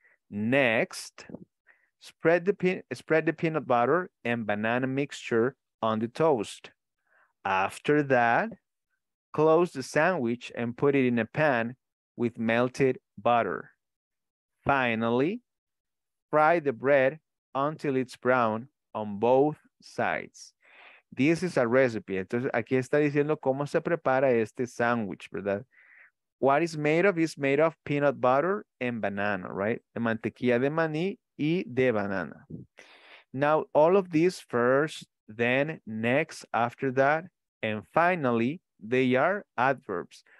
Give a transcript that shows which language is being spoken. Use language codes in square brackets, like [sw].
[en] Next, spread the peanut butter and banana mixture on the toast. After that, close the sandwich and put it in a pan with melted butter. Finally, fry the bread until it's brown on both sides. This is a recipe. [es] Entonces, aquí está diciendo cómo se prepara este sandwich, ¿verdad? [en] What is made of peanut butter and banana, right? [es] De mantequilla de maní y de banana. [en] Now, all of these first, then, next, after that, and finally, they are adverbs.